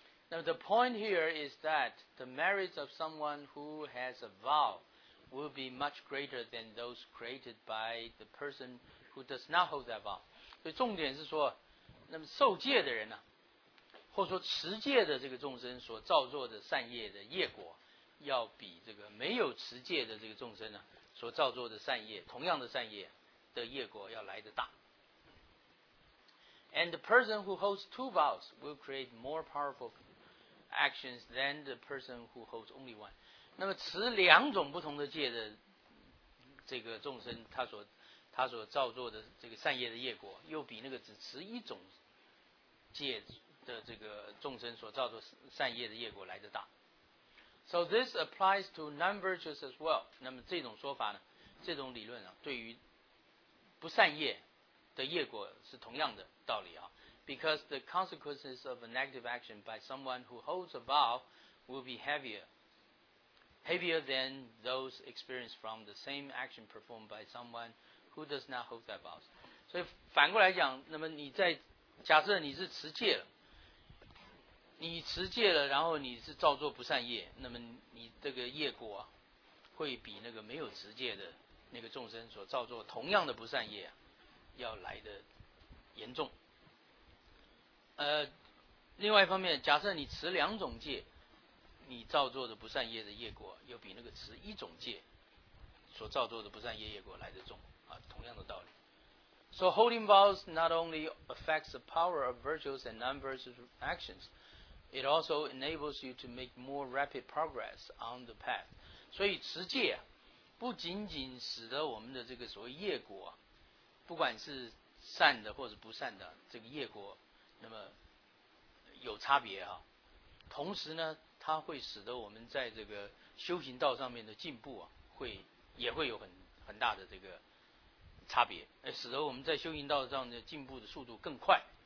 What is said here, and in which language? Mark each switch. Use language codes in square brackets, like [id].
[en] Now the point here is that the merits of someone who has a vow will be much greater than those created by the person who does not hold that vow. [zh] 所以重点是说，那么受戒的人呢、啊，或者说持戒的这个众生所造作的善业的业果，要比这个没有持戒的这个众生呢、啊、所造作的善业，同样的善业的业果要来得大。 [en] And the person who holds two vows will create more powerful actions than the person who holds only one. [zh] 那么持两种不同的戒的这个众生，他所造作的这个善业的业果，又比那个只持一种戒的这个众生所造作善业的业果来得大。 [en] So this applies to non-virtuous as well. [zh] 那么这种说法呢，这种理论啊，对于不善业的业果是同样的道理啊。 [en] Because the consequences of a negative action by someone who holds a vow will be heavier than those experienced from the same action performed by someone who does not hold that vow. [zh] 所以反过来讲，那么你在假设你是持戒了。你持戒了，然后你是造作不善业，那么你这个业果、啊、会比那个没有持戒的那个众生所造作同样的不善业、啊、要来的严重。另外一方面，假设你持两种戒，你造作的不善业的业果又比那个持一种戒所造作的不善业业果来得重啊，同样的道理。 [en] So holding vows not only affects the power of virtuous and non-virtuous actions. It also enables you to make more rapid progress on the path. [zh] 所以持戒、啊、不仅仅使得我们的这个所谓业果、啊、不管是善的或者不善的这个业果那么有差别啊。同时呢它会使得我们在这个修行道上面的进步啊会也会有很大的这个差别使得我们在修行道上的进步的速度更快。